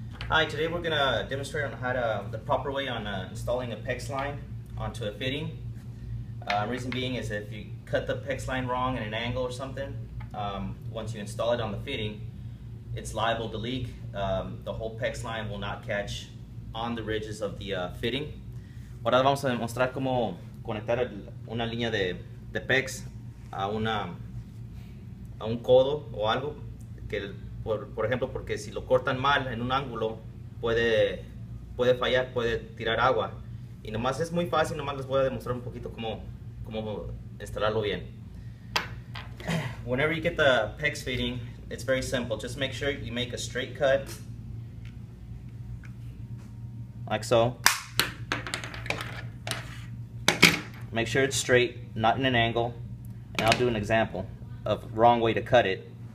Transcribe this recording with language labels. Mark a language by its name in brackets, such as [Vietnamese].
[English] Hi, today we're going to demonstrate on how to the proper way on installing a PEX line onto a fitting. Reason being is if you cut the PEX line wrong at an angle or something, once you install it on the fitting, it's liable to leak. The whole PEX line will not catch on the ridges of the fitting. [Spanish] Ahora vamos a demostrar cómo conectar una línea de PEX a un codo o algo que por ejemplo, porque si lo cortan mal en un ángulo, puede fallar, puede tirar agua. Y nomás es muy fácil, nomás les voy a demostrar un poquito cómo instalarlo bien. [English] Whenever you get the PEX fitting, it's very simple. Just make sure you make a straight cut. Like so. Make sure it's straight, not in an angle. And I'll do an example of the wrong way to cut it.